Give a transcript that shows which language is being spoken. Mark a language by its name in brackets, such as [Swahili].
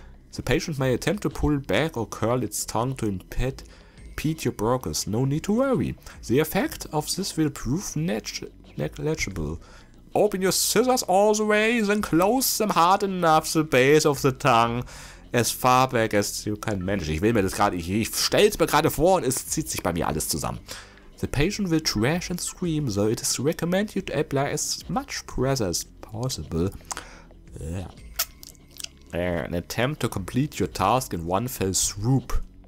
[English] The patient may attempt to pull back or curl its tongue to impede your progress. No need to worry. The effect of this will prove negligible. open your scissors all the way, then close them hard enough the base of the tongue. As far back as you can manage. [German] Ich will mir das gerade, ich stell's mir gerade vor und es zieht sich bei mir alles zusammen. [English] The patient will thrash and scream, so it is recommended you to apply as much pressure as possible. An attempt to complete your task in one fell swoop.